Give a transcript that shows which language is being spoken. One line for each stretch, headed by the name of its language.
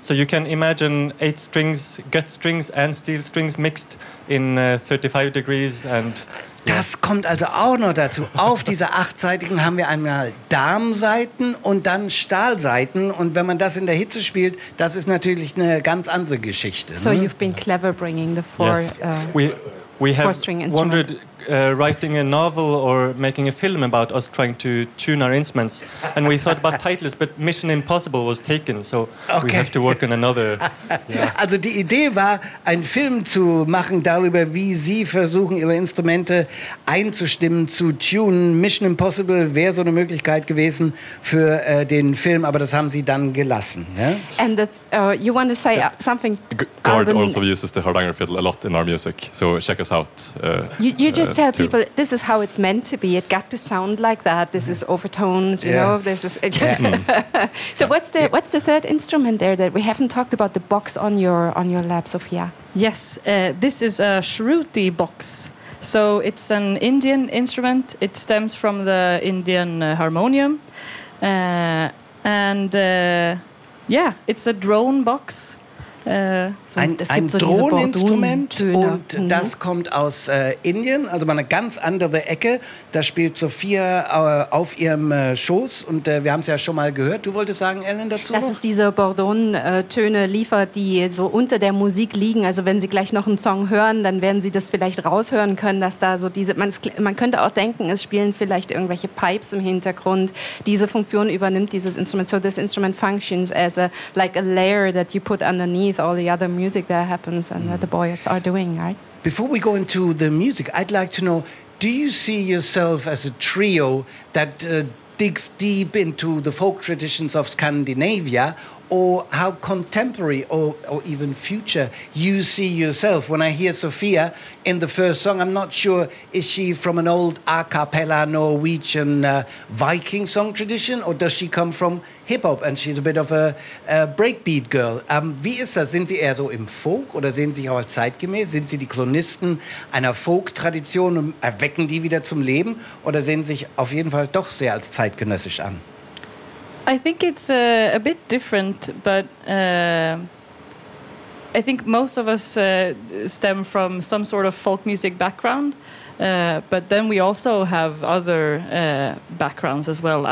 English: So you can imagine 8 strings, gut strings and steel strings mixed in 35 degrees and...
German: Das kommt also auch noch dazu. Auf dieser 8-seitigen haben wir einmal Darmsaiten und dann Stahlsaiten. Und wenn man das in der Hitze spielt, das ist natürlich eine ganz andere Geschichte.
English: So you've been clever bringing the four four-string instruments. We have wondered writing a novel or making a film about us trying to tune our instruments. And we thought about titles, but Mission Impossible was taken. So okay. We have to work on another. Yeah.
German: Also die Idee war, einen Film zu machen darüber, wie Sie versuchen, Ihre Instrumente einzustimmen, zu tunen. Mission Impossible wäre so eine Möglichkeit gewesen für den Film, aber das haben Sie dann gelassen.
English: Yeah? And you want to say something? Gerd also uses the hardanger fiddle a lot in our music. So check us out. Just tell people this is how it's meant to be. It got to sound like that. This is overtones, you know. This is so. Yeah. What's the third instrument there that we haven't talked about? The box on your lap, Sophia. Yes, this is a shruti box. So it's an Indian instrument. It stems from the Indian harmonium, and it's a drone box.
German: Ein Drohneninstrument und das kommt aus Indien, also mal eine ganz andere Ecke. Da spielt Sophia auf ihrem Schoß und wir haben es ja schon mal gehört. Du wolltest sagen, Ellen, dazu? Dass es diese Bordon-Töne liefert, die so unter der Musik liegen. Also wenn Sie gleich noch einen Song hören, dann werden Sie das vielleicht raushören können, dass da so diese, man könnte auch denken, es spielen vielleicht irgendwelche Pipes im Hintergrund. Diese Funktion übernimmt dieses Instrument.
English: So this instrument functions as a, like a layer that you put underneath all the other music that happens and that the boys are doing, right? Before we go into the music, I'd like to know, do you see yourself as a trio that digs deep into the folk traditions of Scandinavia, or how contemporary or even future you see yourself. When I hear Sophia in the first song, I'm not sure, is she from an old a cappella Norwegian Viking song tradition, or does she come from hip-hop and she's a bit of a breakbeat girl?
German: Wie ist das? Sind Sie eher so im Folk oder sehen Sie auch zeitgemäß? Sind Sie die Klonisten einer Folk-Tradition und erwecken die wieder zum Leben, oder sehen Sie sich auf jeden Fall doch sehr als zeitgenössisch an?
English: I think it's a bit different, but I think most of us stem from some sort of folk music background, but then we also have other backgrounds as well.